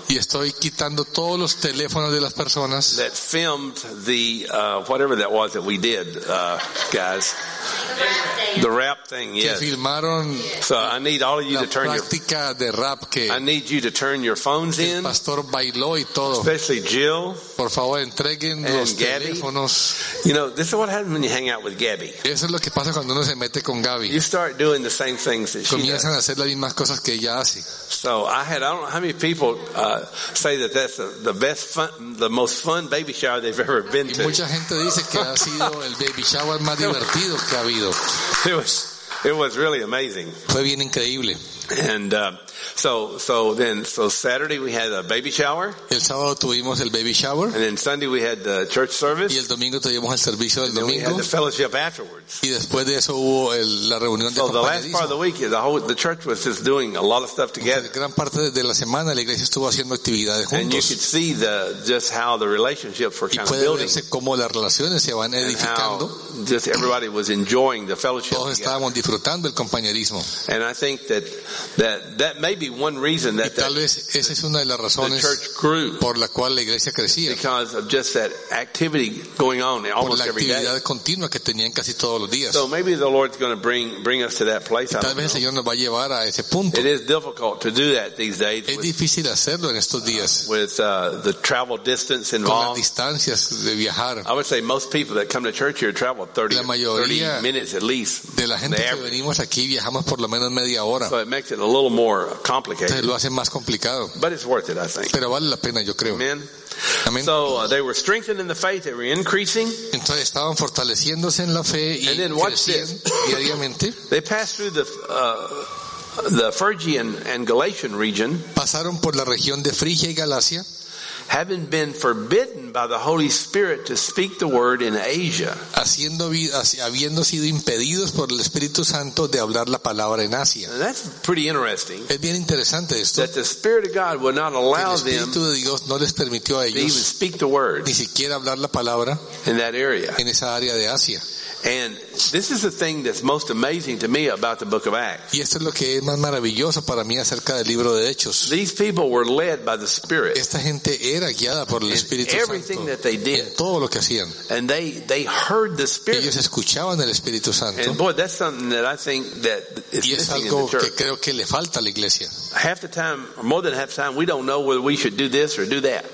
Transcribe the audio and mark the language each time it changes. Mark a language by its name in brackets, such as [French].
[Spanish] Y estoy quitando todos los teléfonos de las personas. [English] That filmed the whatever that was that we did, guys. The rap thing, yes. [Spanish] Que filmaron. [English] So I need all of you to turn your. [Spanish] La práctica de rap que. [English] I need you to turn your phones in. [Spanish] El pastor bailó y todo. [English] Especially Jill. [Spanish] Por favor, entreguen los teléfonos. [English] You know, this is what happens when you hang out with Gabby. [Spanish] Eso es lo que pasa cuando uno se mete con Gabby. [English] You start doing the same things that she does. [Spanish] Comienzan a hacer las mismas cosas que ella hace. [English] So I don't know how many people say that that's the best fun, the most fun baby shower they've ever been to. [Spanish] Y mucha gente dice que ha sido el baby shower más divertido que ha habido. [English] It was really amazing. [Spanish] Fue bien increíble. [English] And so Saturday we had a baby shower. [Spanish] El sábado tuvimos el baby shower. [English] And then Sunday we had the church service. [Spanish] Y el domingo tuvimos el servicio del domingo. [English] And then we had the fellowship afterwards. [Spanish] Y después de eso hubo la reunión de compañerismo. [English] So the last part of the week, the church was just doing a lot of stuff together. [Spanish] Entonces, gran parte de la semana la iglesia estuvo haciendo actividades juntos. [English] And you could see how the relationships were kind of building. [Spanish] Y puede verse cómo las relaciones se van edificando. [English] Just everybody was enjoying the fellowship. [Spanish] Todos estábamos disfrutando el compañerismo. [English] And I think that may be one reason that [Spanish] tal vez esa es una de las razones por la cual la iglesia crecía. [English] Because of just that activity going on almost every day. [Spanish] Por la actividad continua que tenían casi todos los días. [English] So maybe the Lord's going to bring us to that place. [Spanish] Tal vez el Señor nos va a llevar a ese punto. [English] It is difficult to do that these days. [Spanish] Es difícil hacerlo en estos días. [English] With the travel distance involved. [Spanish] Con las distancias de viajar. [English] I would say most people that come to church here travel 30 minutes at least. [Spanish] De la gente que venimos aquí viajamos por lo menos media hora. [English] So it makes it a little more complicated. [Spanish] Lo hace más complicado. [English] But it's worth it, I think. [Spanish] Pero vale la pena, yo creo. [English] Amen. Amen. So they were strengthened in the faith, they were increasing. [Spanish] Entonces estaban fortaleciéndose en la fe y crecían diariamente. [English] They passed through the Phrygian and Galatian region. [Spanish] Pasaron por la región de Frigia y Galacia. [English] Having been forbidden by the Holy Spirit to speak the word in Asia. [Spanish] Habiendo sido impedidos por el Espíritu Santo de hablar la palabra en Asia. [English] And that's pretty interesting. [Spanish] Es bien interesante esto. [English] That the Spirit of God would not allow them. [Spanish] El Espíritu de Dios no les permitió a ellos. [English] To even speak the word. [Spanish] Ni siquiera hablar la palabra. [English] In that area. [Spanish] En esa área de Asia. [English] And this is the thing that's most amazing to me about the book of Acts. [Spanish] Y esto es lo que es más maravilloso para mí acerca del libro de Hechos. [English] These people were led by the Spirit. [Spanish] Esta gente era guiada por el Espíritu Santo. [English] Everything that they did. [Spanish] En todo lo que hacían. [English] And they heard the Spirit. [Spanish] Ellos escuchaban el Espíritu Santo. [English] And boy, that's something that I think that is missing in the church. [Spanish] Y es algo que creo que le falta a la iglesia. [English] Half the time, or more than half the time, we don't know whether we should do this or do that.